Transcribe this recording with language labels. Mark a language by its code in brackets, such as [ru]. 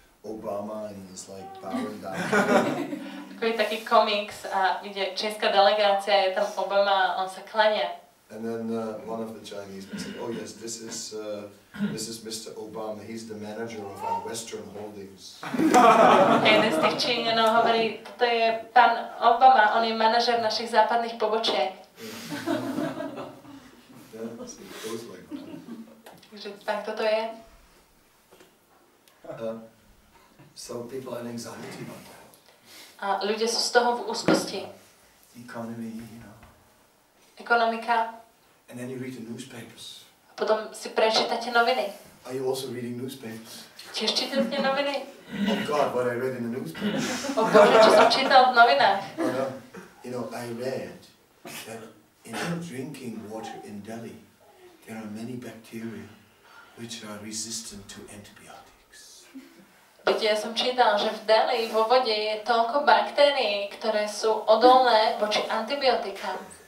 [en] Obama and he's like powering down. [sk] Je taký komiks a ide česká delegácia, je tam Obama a on sa klania. [en] And then one of the Chinese men said, oh yes, this is Mr. Obama, he's the manager of our Western holdings. [sk] Jeden z tých Číňanov hovorí, to je pán Obama, on je manažer našich západných pobočiek. Takže tak toto je. [en] Some people have anxiety about that. [sk] A ľudia sú z toho v úzkosti. [en] Economy, you know. [sk] Ekonomika. [en] And then you read the newspapers. [sk] A potom si prečítate noviny. [en] Are you also reading newspapers? [sk] Tiež čítate noviny? [en] Oh God, what I read in the newspapers. [sk] O Bože, čo som čítal v novinách. [en] You know, I read that in drinking water in Delhi, there are many bacteria which are resistant to antibiotics. [sk] Viete, ja som čítal, že v Delhi vo vode je toľko baktérií, ktoré sú odolné voči antibiotikám.